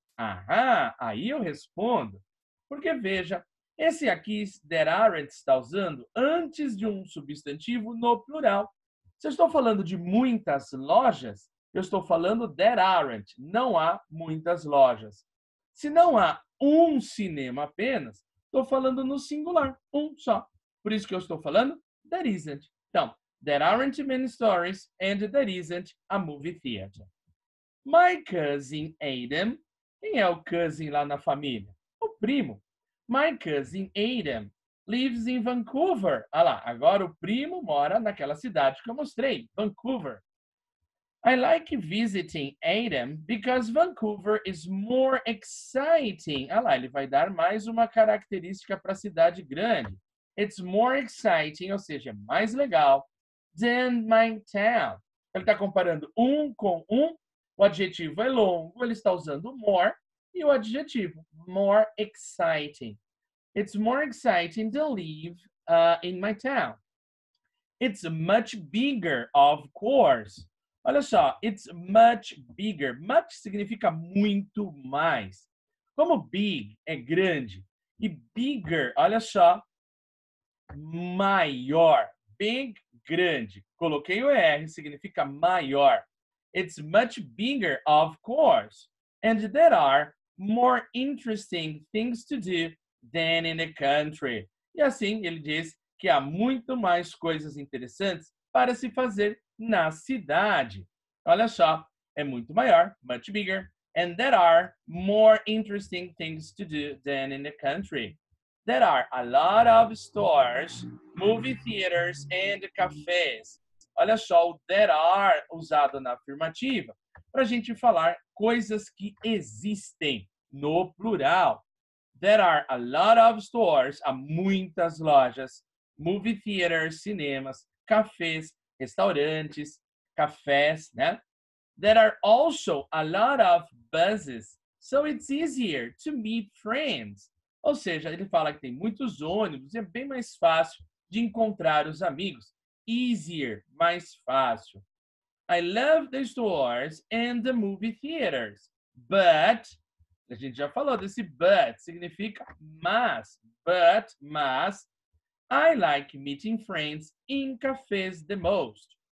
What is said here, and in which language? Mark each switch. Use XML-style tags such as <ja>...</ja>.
<pt>Aham, aí eu respondo. Porque veja, esse aqui,</pt> <en>there aren't,</en> <pt>está usando antes de um substantivo no plural. Se eu estou falando de muitas lojas, eu estou falando</pt> <en>there aren't,</en> <pt>não há muitas lojas. Se não há um cinema apenas, estou falando no singular, um só. Por isso que eu estou falando</pt> <en>there isn't. Então, there aren't many stories and there isn't a movie theater. My cousin Adam.</en> <pt>Quem é o cousin lá na família? O primo.</pt> <en>My cousin Adam lives in Vancouver.</en> <pt>Ah lá, agora o primo mora naquela cidade que eu mostrei, Vancouver.</pt> <en>I like visiting Adam because Vancouver is more exciting.</en> <pt>Ah lá, ele vai dar mais uma característica para a cidade grande.</pt> <en>It's more exciting,</en> <pt>ou seja, mais legal,</pt> <en>than my town.</en> <pt>Ele está comparando um com um. O adjetivo é longo, ele está usando more. E o adjetivo,</pt> <en>more exciting. It's more exciting to live in my town. It's much bigger, of course.</en> <pt>Olha só,</pt> <en>it's much bigger.</en> <pt>Much significa muito mais. Como big é grande. E bigger, olha só, maior. Big, grande. Coloquei o R, significa maior.</pt> <en>It's much bigger, of course. And there are more interesting things to do than in the country.</en> <pt>E assim, ele diz que há muito mais coisas interessantes para se fazer na cidade. Olha só, é muito maior,</pt> <en>much bigger. And there are more interesting things to do than in the country. There are a lot of stores, movie theaters, and cafes.</en> <pt>Olha só o</pt> <en>there are</en> <pt>usado na afirmativa para a gente falar coisas que existem no plural.</pt> <en>There are a lot of stores,</en> <pt>há muitas lojas,</pt> <en>movie theaters,</en> <pt>cinemas, cafés, restaurantes, cafés, né?</pt> <en>There are also a lot of buses, so it's easier to meet friends.</en> <pt>Ou seja, ele fala que tem muitos ônibus e é bem mais fácil de encontrar os amigos.</pt> <en>Easier,</en> <pt>mais fácil.</pt> <en>I love the stores and the movie theaters, but,</en> <pt>a gente já falou desse</pt> <en>but,</en> <pt>significa mas,</pt> <en>but,</en> <pt>mas,</pt> <en>I like meeting friends in cafes the most.</en>